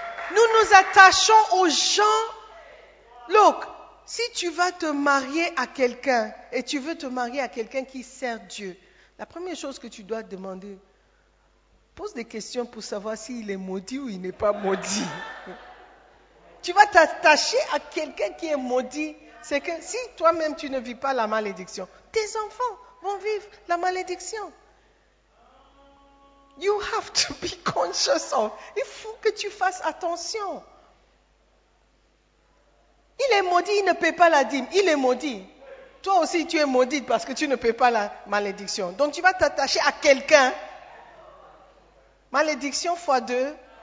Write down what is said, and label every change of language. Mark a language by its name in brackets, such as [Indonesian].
[French] Nous nous attachons aux gens. Look, si tu vas te marier à quelqu'un et tu veux te marier à quelqu'un qui sert Dieu, la première chose que tu dois demander, pose des questions pour savoir s'il est maudit ou il n'est pas maudit. Tu vas t'attacher à quelqu'un qui est maudit. C'est que si toi-même tu ne vis pas la malédiction, tes enfants vont vivre la malédiction. [English] You have to be conscious of. [French] Il faut que tu fasses attention. Il est maudit, il ne paie pas la dîme. Il est maudit. Toi aussi, tu es maudite parce que tu ne paies pas la malédiction. Donc, tu vas t'attacher à quelqu'un. Malédiction fois deux.